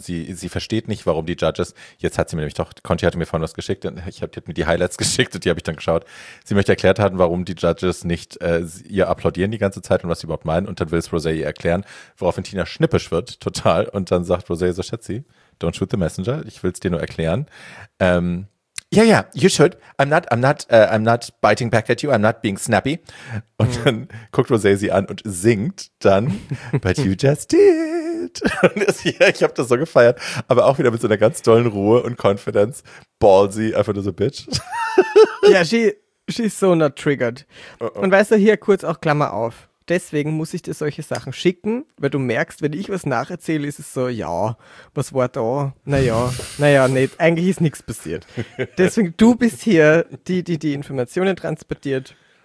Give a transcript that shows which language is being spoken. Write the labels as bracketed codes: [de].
[de] Sie versteht nicht, warum die Judges, jetzt hat sie mir nämlich doch, Conti hatte mir vorhin was geschickt, ich habe mir die Highlights geschickt und die habe ich dann geschaut. Sie möchte erklärt haben, warum die Judges nicht ihr applaudieren die ganze Zeit und was sie überhaupt meinen. Und dann will es Rosé ihr erklären, woraufhin Tina schnippisch wird, total. Und dann sagt Rosé so, Schätzi, [en] don't shoot the messenger, [de] ich will es dir nur erklären. [en] Ja, ja, you should. I'm not biting back at you. I'm not being snappy. [de] Und dann guckt Rosé sie an und singt dann, [en] but you just did. [de] Und ist, ja, ich habe das so gefeiert, aber auch wieder mit so einer ganz tollen Ruhe und Confidence. Ballsy, einfach nur so bitch. [en] Ja, she's so not triggered. Uh-oh. [de] Und weißt du, hier kurz auch Klammer auf. Deswegen muss ich dir solche Sachen schicken, weil du merkst, wenn ich was nacherzähle, ist es so, ja, was war da? Naja, nicht. Eigentlich ist nichts passiert. Deswegen, du bist hier, die Informationen transportiert.